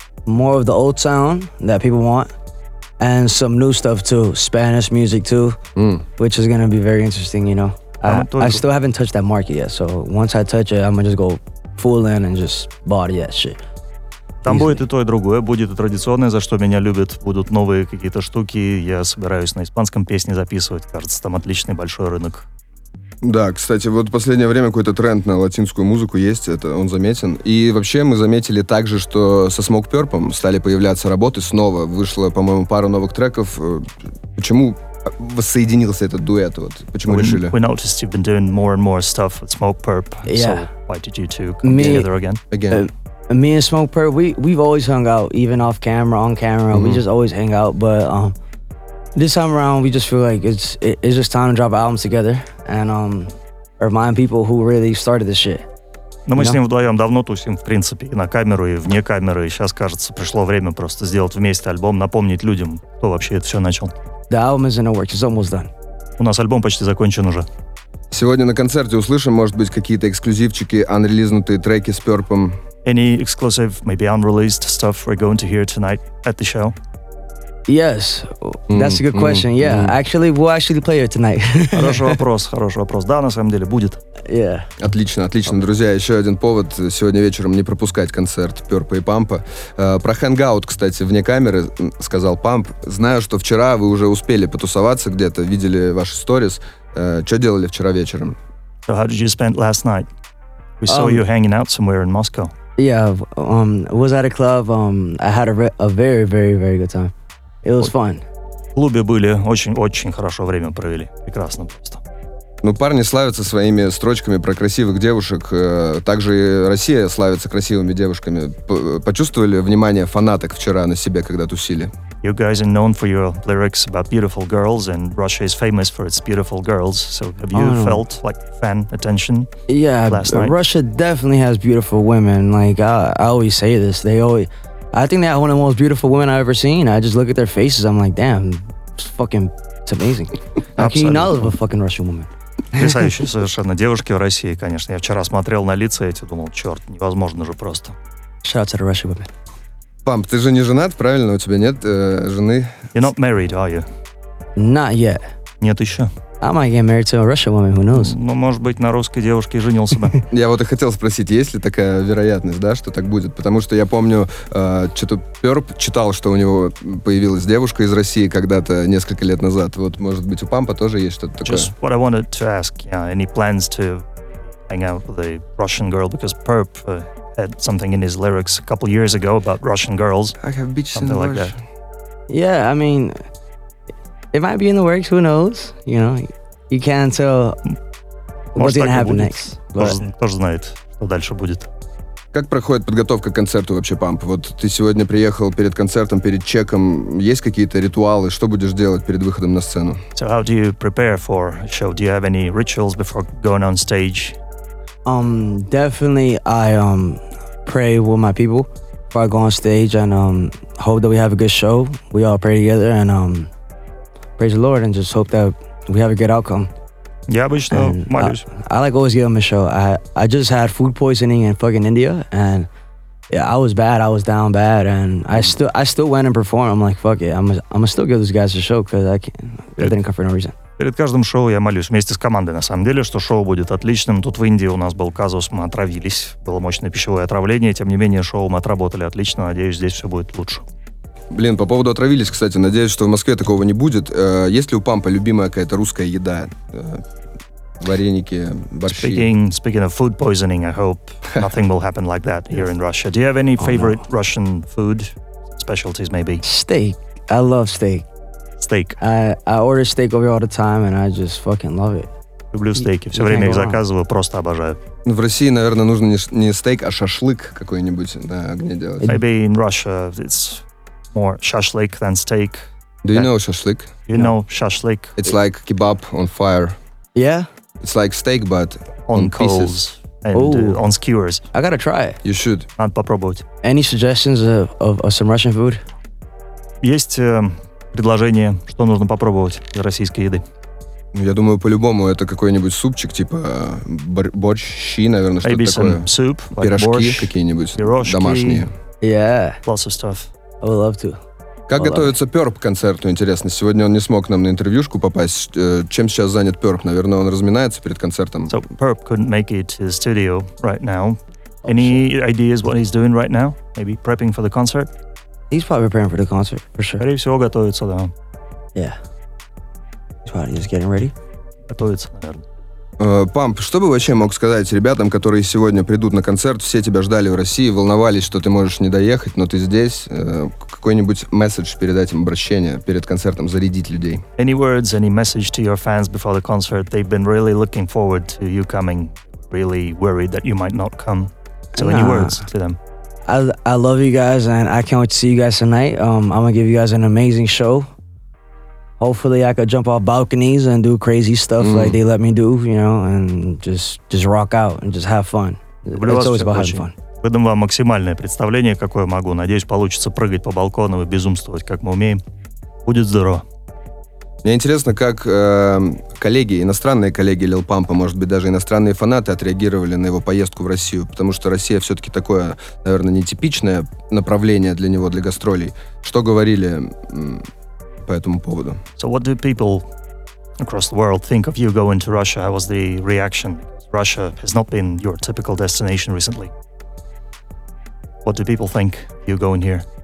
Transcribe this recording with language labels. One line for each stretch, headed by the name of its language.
English: more of the old sound that people want and some new stuff too, Spanish music too, which is gonna be very interesting, you know. I still haven't touched that market yet, so once I touch it, I'm gonna just go full in and just body that shit.
Russian: Там будет и то, и другое. Будет и традиционное, за что меня любят. Будут новые какие-то штуки. Я собираюсь на испанском песни записывать. Кажется, там отличный большой рынок. Да, кстати, вот в последнее время какой-то тренд на латинскую музыку есть, это он заметен. И вообще мы заметили также, что со Smoke Purple стали появляться работы снова. Вышло, по-моему, пару новых треков. Почему воссоединился этот дуэт? Вот? Почему решили?
English: We noticed you've been doing more and more stuff with Smoke Purple. Yeah. So why did you two come together again? Me and Smoke Purple, we've always hung out, even off camera, on camera. Mm-hmm. We just always hang out, but... this time around, we just feel like it's just time to drop albums together and remind people who really started this shit.
Russian: Но мы с ним вдвоем давно тусим, в принципе, и на камеру, и вне камеры. И сейчас, кажется, пришло время просто сделать вместе альбом, напомнить людям, кто вообще это все начал.
English: The album is in the works. It's almost done.
Russian: У нас альбом почти закончен уже. Сегодня на концерте услышим, может быть, какие-то эксклюзивчики, анрелизнутые треки с Purple.
English: Any exclusive, maybe unreleased stuff we're going to hear tonight at the show? Yes, that's a good question. Yeah, actually, we'll actually play it tonight.
Russian: Хороший вопрос. Да, на самом деле, будет.
English: Yeah.
Russian: Отлично. Друзья, еще один повод сегодня вечером не пропускать концерт Purple и Pump. Про хэнгаут, кстати, вне камеры, сказал Pump. Знаю, что вчера вы уже успели потусоваться где-то, видели ваши сторис. Что делали вчера вечером?
English: So how did you spend last night? We saw you hanging out somewhere in Moscow. Yeah, was at a club. I had a very, very, very good time. It was fun.
Russian: В клубе были, очень-очень хорошо время провели. Прекрасно просто. Ну, парни славятся своими строчками про красивых девушек. Также и Россия славится красивыми девушками. Почувствовали внимание фанаток вчера на себе, когда тусили?
English: You guys are known for your lyrics about beautiful girls, and Russia is famous for its beautiful girls. So have you felt like fan attention last night? Yeah, Russia definitely has beautiful women. Like, I always say this, they always... I think they're one of the most beautiful women I've ever seen. I just look at their faces, I'm like, damn, it's fucking, it's amazing. How can you not love a fucking Russian woman?
Russian: Потрясающие совершенно девушки в России, конечно. Я вчера смотрел на лица эти, думал, черт, невозможно же просто.
English: Shout out to Russian women.
Russian: Памп, ты же не женат, правильно? У тебя нет жены?
English: You're not married, are you? Not yet.
Russian: Нет еще?
English: I might get married to a Russian woman, who knows?
Russian: Ну, может быть, на русской девушке и женился бы. Я вот и хотел спросить, есть ли такая вероятность, да, что так будет? Потому что я помню, что-то Перп читал, что у него появилась девушка из России когда-то, несколько лет назад. Вот, может быть, у Пампа тоже есть что-то такое?
English: Just what I wanted to ask, you know, any plans to hang out with a Russian girl, because Perp had something in his lyrics a couple years ago about Russian girls. I have bitches in like Russia. Yeah, I mean... It might be in the works, who knows? You know, you can't tell what's gonna happen next.
Russian: Кто же знает, что дальше будет. Как проходит подготовка к концерту вообще, Памп? Вот ты сегодня приехал перед концертом, перед чеком. Есть какие-то ритуалы? Что будешь делать перед выходом на сцену?
English: So how do you prepare for a show? Do you have any rituals before going on stage? Definitely I pray with my people before I go on stage and hope that we have a good show. We all pray together and praise the Lord and just hope that we have a good outcome.
Russian: Я обычно молюсь.
English: I like always give them a show. I just had food poisoning in fucking India and yeah, I was bad. I was down bad and I still went and performed. I'm like, fuck it. I'm still give these guys a show because they didn't come for no reason.
Russian: Перед каждым шоу я молюсь вместе с командой, на самом деле, что шоу будет отличным. Тут в Индии у нас был казус, мы отравились. Было мощное пищевое отравление. Тем не менее, шоу мы отработали отлично. Надеюсь, здесь все будет лучше. Блин, по поводу отравились, кстати, надеюсь, что в Москве такого не будет. Есть ли у Пампа любимая какая-то русская еда? Вареники, борщи?
English: Speaking of food poisoning, I hope nothing will happen like that here in Russia. Do you have any favorite Russian food specialties, maybe? Steak. I love steak. Steak. I order steak over all the time, and I just fucking love it.
Russian: Люблю стейки. Все время их заказываю, просто обожаю. В России, наверное, нужно не стейк, а шашлык какой-нибудь на огне делать.
English: Maybe in Russia it's... More shashlik than steak. Do you know shashlik? You know shashlik. It's like kebab on fire. Yeah? It's like steak, but on coals pieces. And on skewers. I gotta try it. You should.
Russian: Надо попробовать.
English: Any suggestions of some Russian food?
Russian: Есть предложение, что нужно попробовать из российской еды. Я думаю, по-любому это какой-нибудь супчик, типа борщи, наверное,
English: Maybe
Russian: что-то такое.
English: Maybe some soup, like
Russian: Пирожки
English: borscht,
Russian: какие-нибудь пирожки, домашние.
English: Yeah. Lots of stuff. I would love to.
Russian: Как готовится Перп к концерту, интересно? Сегодня он не смог нам на интервьюшку попасть. Чем сейчас занят Перп? Наверное, он разминается перед концертом.
English: So Перп couldn't make it to the studio right now. Any ideas what he's doing right now? Maybe prepping for the concert? He's probably preparing for the concert, for sure.
Russian: Скорее всего, готовится, да.
English: Yeah. He's probably just getting ready.
Russian: Готовится, наверное. Памп, что бы вообще мог сказать ребятам, которые сегодня придут на концерт, все тебя ждали в России, волновались, что ты можешь не доехать, но ты здесь. Какой-нибудь месседж передать им, обращение перед концертом, зарядить людей.
English: Any words, any message to your fans before the concert? They've been really looking forward to you coming, really worried that you might not come. So any words to them? I love you guys and I can't wait to see you guys tonight. I'm gonna give you guys an amazing show. Hopefully I could jump off balconies and do crazy stuff like they let me do, you know, and just rock out and just have fun.
Russian: Люблю
English: It's always about
Russian: очень.
English: Having fun.
Russian: Выдам вам максимальное представление, какое могу. Надеюсь, получится прыгать по балкону и безумствовать, как мы умеем. Будет здорово. Мне интересно, как коллеги, иностранные коллеги Lil Pump, может быть, даже иностранные фанаты отреагировали на его поездку в Россию, потому что Россия все-таки такое, наверное, нетипичное направление для него, для гастролей. Что говорили... по этому поводу.
English: So what do people across the world think of you going to Russia? How was the reaction? Russia has not been your typical destination recently. What do people think of you going here?